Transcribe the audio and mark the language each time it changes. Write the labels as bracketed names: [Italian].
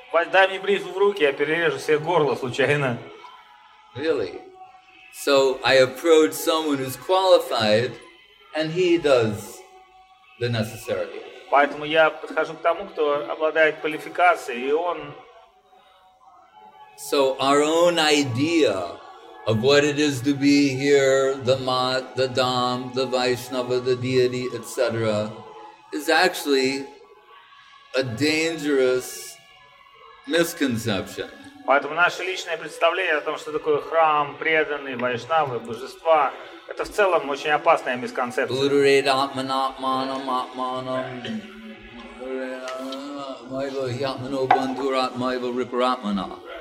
[Russian] Дай мне бритву в руки, я перережу себе горло случайно. [English] Really? So I approach someone who's qualified, and he does the necessary. [Russian] Поэтому я подхожу к тому, кто обладает квалификацией, и он. [English] So our own idea of what it is to be here, the mat, the dham, the Vaishnava, the deity, etc., is actually a dangerous misconception. [Russian] Поэтому наше личное представление о том, что такое храм, преданный, вайшнавы, божества, это в целом очень опасная мисконцепция.